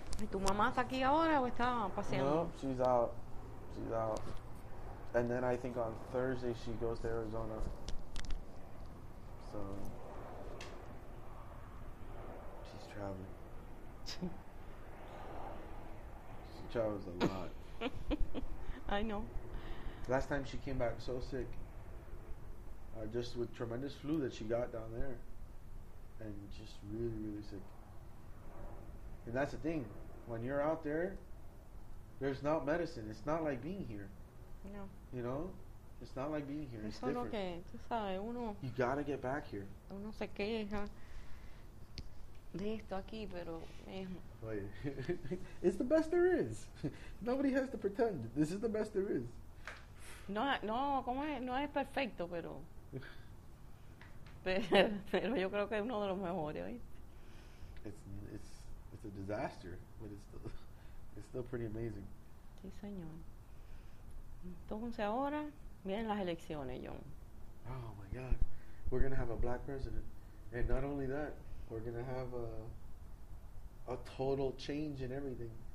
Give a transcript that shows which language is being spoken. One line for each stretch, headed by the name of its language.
Spanish: ¿Y tu mamá está aquí ahora o está paseando?
English: No, she's out. She's out. And then I think on Thursday she goes to Arizona. So she's traveling. She travels a lot. I know. Last time she came back so sick, just with tremendous flu that she got down there, and just really, really sick. And that's the thing, when you're out there, there's not medicine. It's not like being here. No. You know, It's not like being here.
Spanish: Eso
English: it's
Spanish: lo
English: different.
Spanish: que, tú sabes, uno,
English: You gotta get back here.
Spanish: Uno se queja de esto aquí, pero mismo. Oye,
English: it's the best there is. Nobody has to pretend. This is the best there is.
Spanish: No, no, ¿cómo es? No es perfecto, pero, pero yo creo que es uno de los mejores, ¿eh?
English: It's a disaster, but it's still pretty amazing.
Spanish: Sí, señor. Entonces ahora vienen las elecciones, John.
English: Oh my God, we're gonna have a black president, and not only that, we're gonna have a total change in everything.